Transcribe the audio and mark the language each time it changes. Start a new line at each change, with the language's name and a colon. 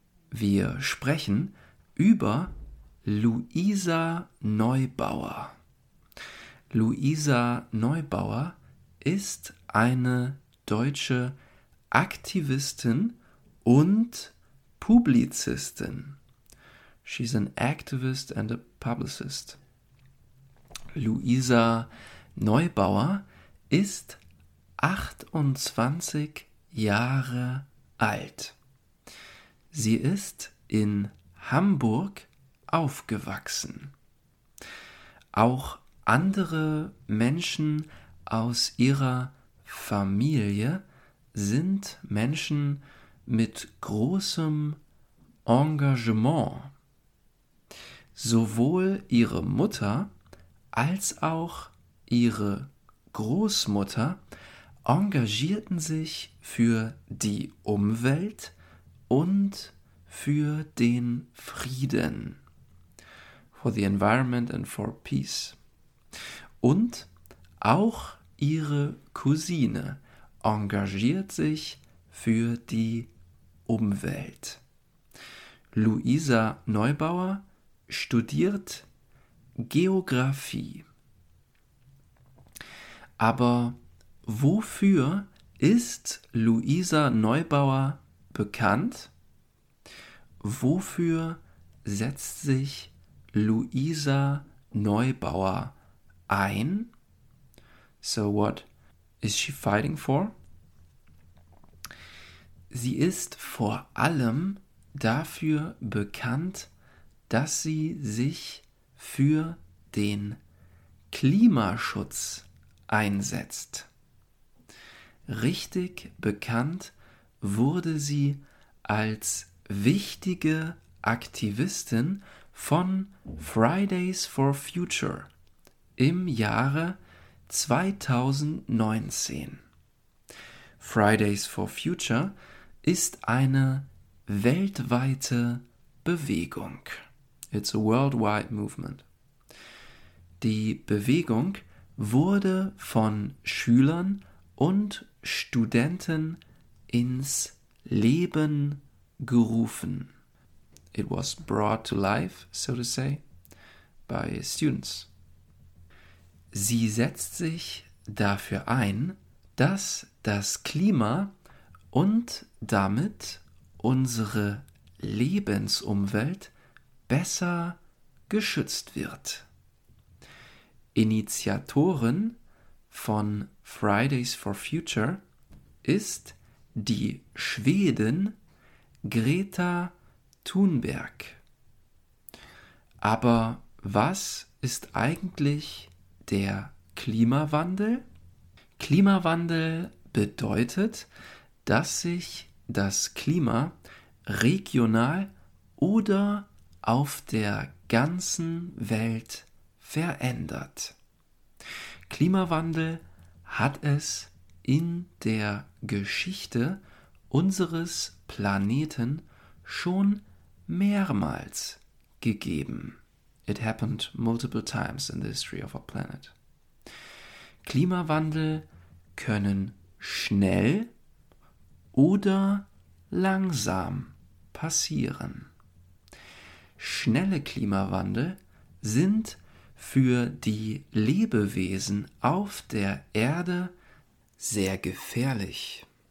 German: Wir sprechen über Luisa Neubauer. Luisa Neubauer ist eine deutsche Aktivistin und Publizistin.
English: She's an activist and a publicist.
German: Luisa Neubauer ist 28 Jahre alt. Sie ist in Hamburg aufgewachsen. Auch andere Menschen aus ihrer Familie sind Menschen mit großem Engagement. Sowohl ihre Mutter als auch ihre Großmutter engagierten sich für die Umwelt und für den Frieden.
English: For the environment and for peace.
German: Und auch ihre Cousine engagiert sich für die Umwelt. Luisa Neubauer studiert Geographie. Aber wofür ist Luisa Neubauer bekannt? Wofür setzt sich Luisa Neubauer ein?
English: So what is she fighting for?
German: Sie ist vor allem dafür bekannt, dass sie sich für den Klimaschutz einsetzt. Richtig bekannt wurde sie als wichtige Aktivistin von Fridays for Future im Jahre 2019. Fridays for Future ist eine weltweite Bewegung.
English: It's a worldwide movement.
German: Die Bewegung wurde von Schülern und Studenten ins Leben gerufen.
English: It was brought to life, so to say, by students.
German: Sie setzt sich dafür ein, dass das Klima und damit unsere Lebensumwelt besser geschützt wird. Initiatorin von Fridays for Future ist die Schwedin Greta Thunberg. Aber was ist eigentlich der Klimawandel? Klimawandel bedeutet, dass sich das Klima regional oder auf der ganzen Welt verändert. Klimawandel hat es in der Geschichte unseres Planeten schon mehrmals gegeben.
English: It happened multiple times in the history of our planet.
German: Klimawandel können schnell oder langsam passieren. schnelle Klimawandel sind für die Lebewesen auf der Erde sehr gefährlich.